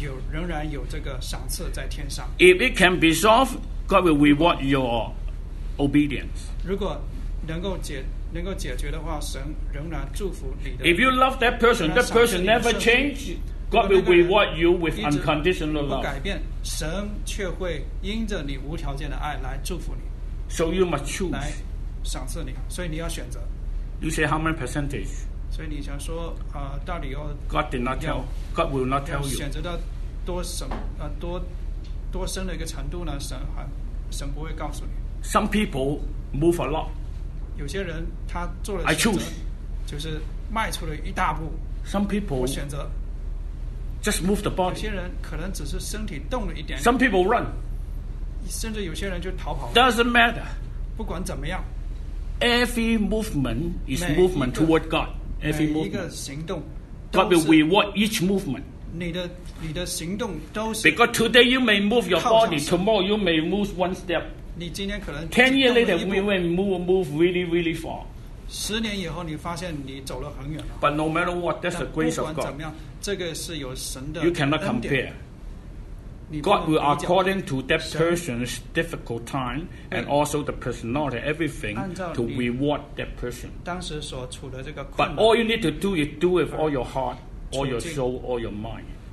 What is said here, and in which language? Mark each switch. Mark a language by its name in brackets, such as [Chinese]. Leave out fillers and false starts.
[Chinese] 仍然有这个赏赐在天上 [English] If it can be solved God will reward your obedience [Chinese] 如果能够解决的话，神仍然祝福你的。 [English] If you love that person, that person never change, God will reward you with unconditional love. [Chinese] 如果那个人一直不改变，神却会因着你无条件的爱来祝福你。 [English] So you must choose. [Chinese] 来赏赐你，所以你要选择。 [English] You say how many percentage? [Chinese] 所以你想说到底要 [English] God did not tell. God will not tell you. [Chinese] 选择到多什么多深的一个程度呢？神不会告诉你。 [English] Some people move a lot. [Chinese] 有些人他做了选择，就是迈出了一大步。 [English] Some people [Chinese] 选择 [English] just move the body。 [Chinese] 有些人可能只是身体动了一点。 [English] Some people run， [Chinese] 甚至有些人就逃跑。 [English] Doesn't matter， [Chinese] 不管怎么样 [English] ，every movement is movement toward God。 Every movement [Chinese] 每一个行动 [English] ，God will reward each movement。 [Chinese] 你的行动都是 [English] because today you may move your body， tomorrow you may move one step。 [Chinese] 你今天可能 [English] 10 years later we will move really really far [Chinese] 十年以后你发现你走了很远了 [English] but no matter what that's the grace of God [Chinese] 这个是有神的恩典 [English] you cannot compare God will, according to that person's difficult time and also the personality, everything to reward that person. But all you need to do is do it with all your heart, all your soul, all your mind.